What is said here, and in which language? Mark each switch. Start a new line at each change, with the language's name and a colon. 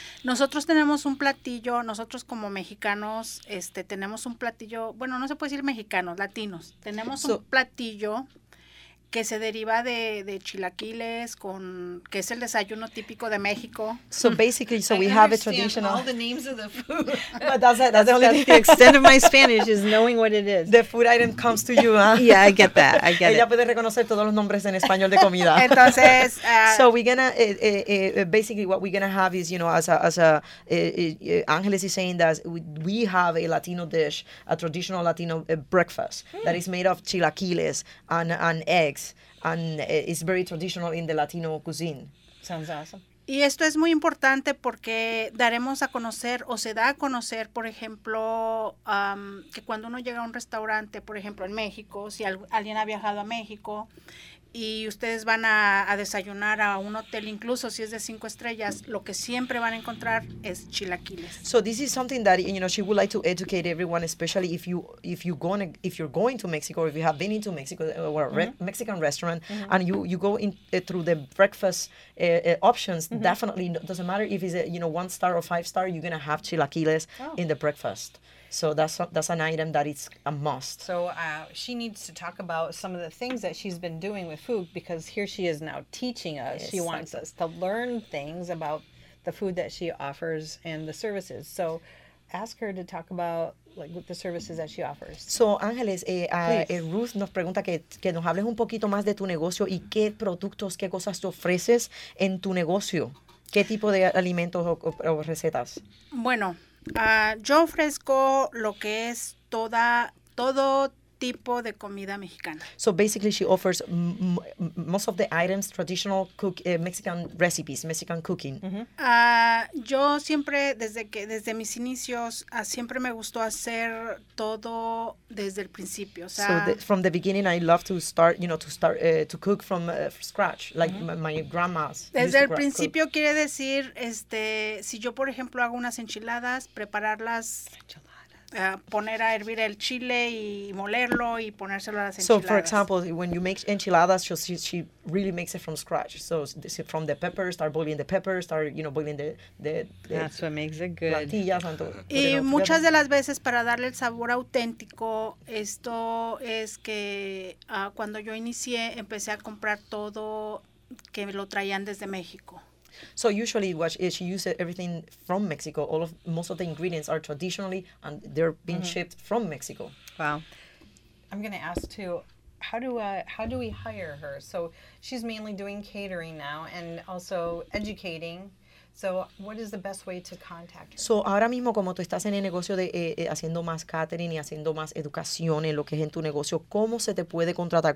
Spanish: Nosotros tenemos un platillo, nosotros como mexicanos, tenemos un platillo, bueno, no se puede decir mexicanos, latinos. Tenemos un platillo que se deriva de chilaquiles, con que es el desayuno típico de México.
English: So basically, so I we have a traditional. All the names of the food. But that's the only that's the extent of my Spanish is knowing what it is. The food item comes to you, huh? Yeah, I get that. I get
Spanish: Ella
English: it.
Spanish: Ella puede reconocer todos los nombres en español de comida. Entonces.
English: So we're gonna basically what we're gonna have is, you know, Angeles is saying that we have a Latino dish, a traditional Latino breakfast that is made of chilaquiles and eggs. And it's very traditional in the Latino cuisine. Sounds awesome.
Spanish: Y esto es muy importante porque daremos a conocer o se da a conocer, por ejemplo, que cuando uno llega a un restaurante, por ejemplo, en México, si alguien ha viajado a México y ustedes van a desayunar a un hotel, incluso si es de 5 estrellas, lo que siempre van a encontrar es chilaquiles.
English: So this is something that, you know, she would like to educate everyone, especially if you're going to Mexico, or if you have been into Mexico or a Mexican restaurant, and you go in through the breakfast options, definitely doesn't matter if it's a, you know, 1-star or 5-star, you're going to have chilaquiles in the breakfast. So that's an item that it's a must. So she needs to talk about some of the things that she's been doing with food, because here she is now teaching us. Yes, she wants us to learn things about the food that she offers and the services. So ask her to talk about, like, with the services that she offers.
Spanish: So, Ángeles, Ruth nos pregunta que nos hables un poquito más de tu negocio y qué productos, qué cosas tú ofreces en tu negocio. ¿Qué tipo de alimentos o recetas? Bueno, yo ofrezco lo que es todo tipo de comida mexicana.
English: So basically she offers most of the items, traditional Mexican recipes, Mexican cooking.
Spanish: Yo siempre, desde mis inicios, siempre me gustó hacer todo desde el principio. O sea,
English: from the beginning I love to start, you know, to cook from scratch, like my grandma's.
Spanish: Desde el principio cook. Quiere decir, si yo, por ejemplo, hago unas enchiladas, prepararlas. Poner a hervir el chile y molerlo y ponérselo a las enchiladas.
English: So, for example, when you make enchiladas, she really makes it from scratch. So, from the pepper, start boiling the pepper, start, you know, boiling the that's what makes it good.
Spanish: Plantillas and todo. Y muchas de las veces, para darle el sabor auténtico, esto es que cuando yo inicié, empecé a comprar todo que lo traían desde México.
English: So usually she uses everything from Mexico. Most of the ingredients are traditionally, and they're being shipped from Mexico. Wow. I'm going to ask too, how do we hire her? So she's mainly doing catering now and also educating. So what is the best way to contact her?
Spanish: So ahora mismo, como tú estás en el negocio de haciendo más catering y haciendo más educación en lo que es en tu negocio, ¿cómo se te puede contratar?